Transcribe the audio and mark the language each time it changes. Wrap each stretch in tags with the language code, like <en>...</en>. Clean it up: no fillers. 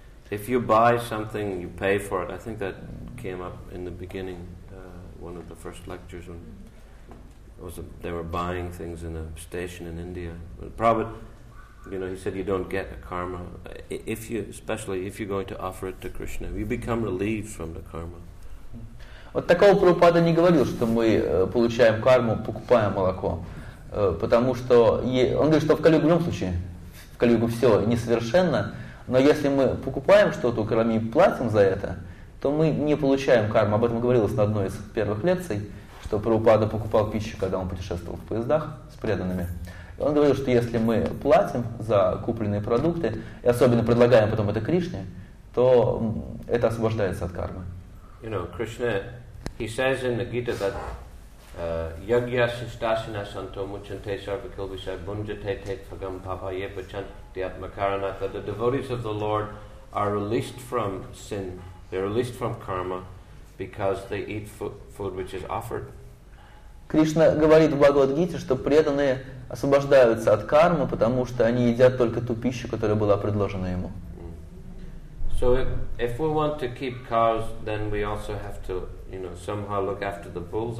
<en>If you buy something, you pay for it. I think that came up in the beginning, one of the first lectures, when they were buying things in a station in India. But Prabhupada, he said you don't get a karma. Especially if you're going to offer it to Krishna, you become relieved from the karma.</en> <ru>Вот такого Прабхупада не говорил, что мы получаем карму, покупая молоко. Потому что он говорит, что в Кали-Югу в любом случае, в Кали-Югу все несовершенно, но если мы покупаем что-то у Карами и платим за это, то мы не получаем карму. Об этом говорилось на одной из первых лекций, что Прабхупада покупал пищу, когда он путешествовал в поездах с преданными. Он говорил, что если мы платим за купленные продукты, и особенно предлагаем потом это Кришне, то это освобождается от кармы.</ru> <en>You know, Krishna, he says in the Gita that</en> <sa>yagya sistasina santo muchante sarvakilvisa bunjate tet phagam papa ye pachant diatmakarana,</sa> <en>that the devotees of the Lord are released from sin, they're released from karma because they eat food which is offered.</en> <ru>Krishna говорит в Бхагавад-гите, что преданные освобождаются от кармы, потому что они едят только ту пищу, которая была предложена ему.</ru> <en>So if we want to keep cows, then we also have to, somehow look after the bulls.</en>